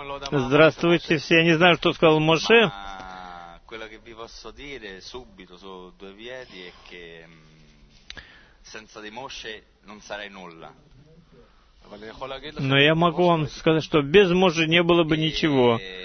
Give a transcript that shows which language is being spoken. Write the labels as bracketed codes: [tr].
[ru] Здравствуйте все. Я не знаю, что сказал Моше. [it] Quello che vi posso dire subito su due piedi è che senza di Моше non sarei nulla. [ru] Но я могу вам сказать, что без Моше не было бы ничего.